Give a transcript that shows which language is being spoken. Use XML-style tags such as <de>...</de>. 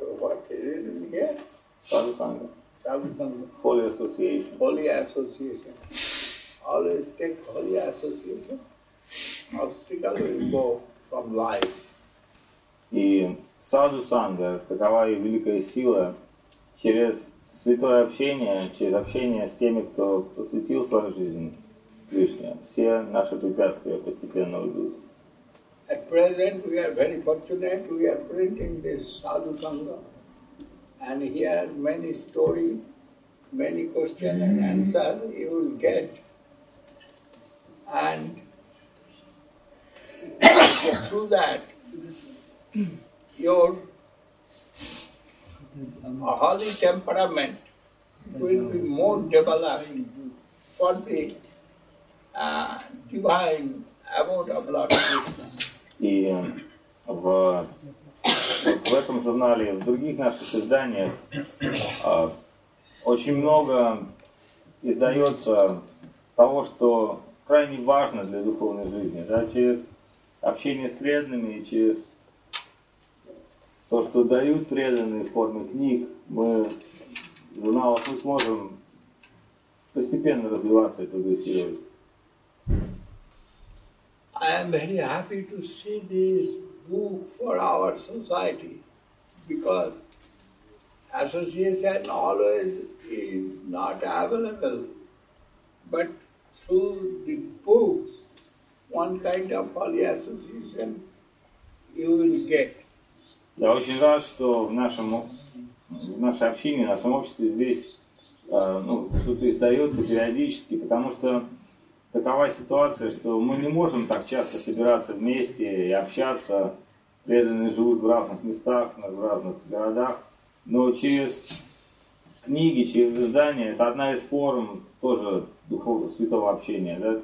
<en>Sadhu Sangha, but what is it in here? Sadhu Sangha. Sadhu Sangha. Holy Association. Holy Association. Always take Holy Association. Obstacle will go from life.</en> <ru>И Sadhu Sangha, какова и великая сила, через святое общение, через общение с теми, кто посвятил свою жизнь Кришне, все наши препятствия постепенно уйдут.</ru> <en>At present, we are very fortunate, we are printing this Sadhu Sangha. And here, many stories, many questions and answers you will get. And through that, your holy temperament will be more developed for the divine abode of Lord Krishna.</en> <ru>И в этом журнале, в других наших изданиях очень много издается того, что крайне важно для духовной жизни, да, через общение с преданными, через то, что дают преданные формы книг, мы в журналах мы сможем постепенно развиваться эту беседу.</ru> <en>I am very happy to see this book for our society because association always is not available, but through the books, one kind of holy association you will get.</en> <ru>Я очень рад, что в нашей общине, в нашем обществе здесь что-то издается периодически, потому что такова ситуация, что мы не можем так часто собираться вместе и общаться. Преданные живут в разных местах, в разных городах. Но через книги, через издания, это одна из форм тоже духовного святого общения. Да?</ru>